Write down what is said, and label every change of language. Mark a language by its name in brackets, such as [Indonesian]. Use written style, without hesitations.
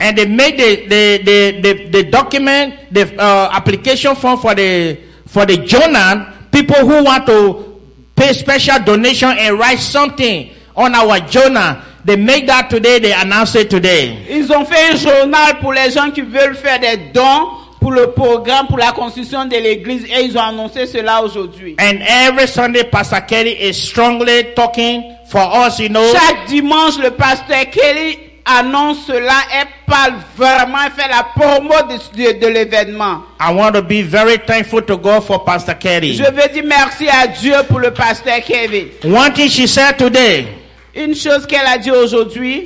[English] And they make the document, the application form for the journal. People who want to pay special donation and write something on our journal. They make that today, they announce it today. [French] Ils ont fait un journal pour les gens qui veulent faire des dons pour le programme, pour la construction de l'église et ils ont annoncé cela aujourd'hui. [English] And every Sunday, Pastor Kelly is strongly talking for us, you know. [French] Chaque dimanche, le Pasteur Kelly annonce cela et parle vraiment, fait la promo de l'événement. [English] I want to be very thankful to God for Pastor Kelly. [French] Je veux dire merci à Dieu pour le Pasteur Kelly. [English] One thing she said today. [French] Une chose qu'elle a dit aujourd'hui.